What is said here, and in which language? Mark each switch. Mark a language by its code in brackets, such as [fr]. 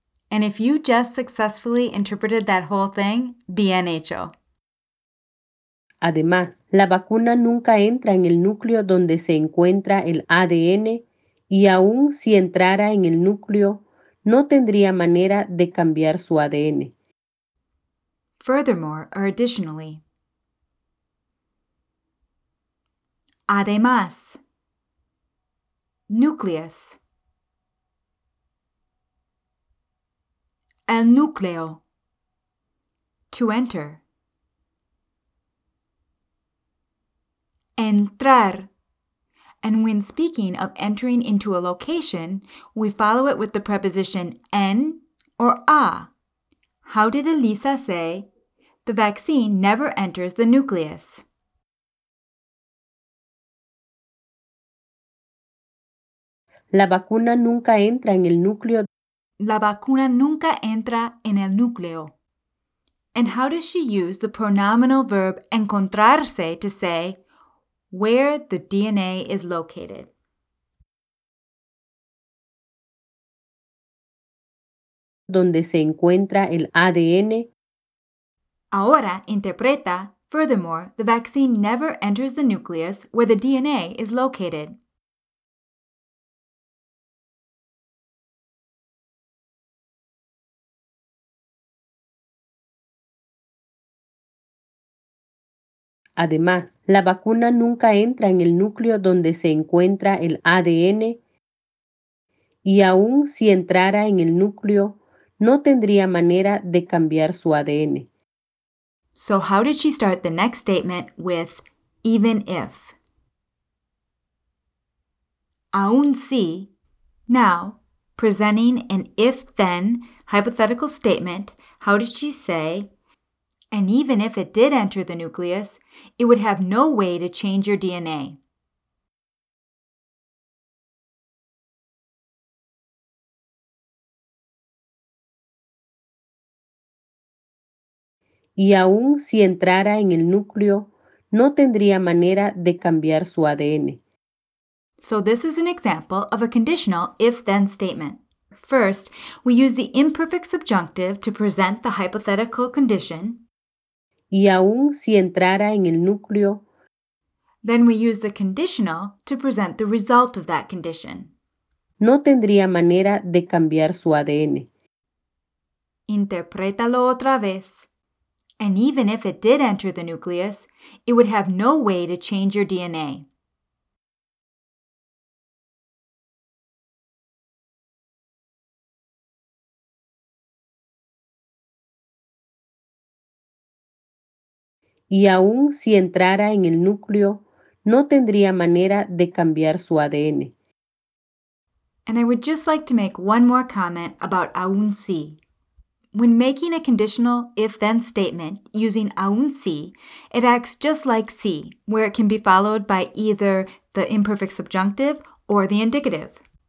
[en] And if you just successfully interpreted that whole thing, [es] bien hecho. Además, la vacuna nunca entra en el núcleo donde se encuentra el ADN y aún si entrara en el núcleo, no tendría manera de cambiar su ADN. [en] Furthermore, or additionally. Además. Nucleus. [es] El núcleo. [en] To enter. Entrar. And when speaking of entering into a location, we follow it with the preposition en or a. How did Elisa say, the vaccine never enters the nucleus? [es] La vacuna nunca entra en el núcleo. La vacuna nunca entra en el núcleo. [en] And how does she use the pronominal verb encontrarse to say, where the DNA is located. [es] Donde se encuentra el ADN. Ahora interpreta, [en] furthermore, the vaccine never enters the nucleus where the DNA is located. [es] Además, la vacuna nunca entra en el núcleo donde se encuentra el ADN y aún si entrara en el núcleo, no tendría manera de cambiar su ADN. [en] So how did she start the next statement with even if? Aún si, now, presenting an if-then hypothetical statement, how did she say, and even if it did enter the nucleus, it would have no way to change your DNA. [es] Y aún si entrara en el núcleo, no tendría manera de cambiar su ADN. [en] So this is an example of a conditional if-then statement. First, we use the imperfect subjunctive to present the hypothetical condition. [es] Y aún si entrara en el núcleo. [en] Then we use the conditional to present the result of that condition. [es] No tendría manera de cambiar su ADN. Interprétalo otra vez. [en] And even if it did enter the nucleus, it would have no way to change your DNA. [es] Y aún si entrara en el núcleo, no tendría manera de cambiar su ADN. [en] And I would just like to make one more comment about aún si. When making a conditional if-then statement using aún si, it acts just like si, where it can be followed by either the imperfect subjunctive or the indicative.